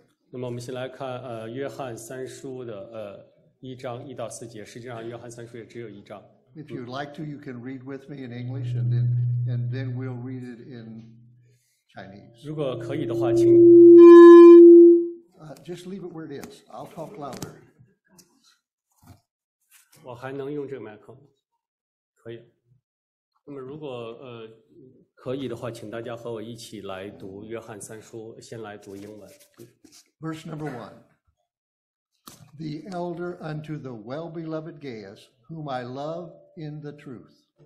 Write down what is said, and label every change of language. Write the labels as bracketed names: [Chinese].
[Chinese] 那么我们先来看约翰三书的一章一到四节。实际上，约翰三书也只有一章。 [English] If you'd like to, you can read with me in English, and then we'll read it in Chinese. [Chinese] 如果可以的话，请。 [English] Just leave it where it is. I'll talk louder. [Chinese] 我还能用这个麦克吗？可以。那么如果可以的话，请大家和我一起来读约翰三书，先来读英文。 [English] Verse number one. The elder unto the well-beloved Gaius, whom I love in the truth.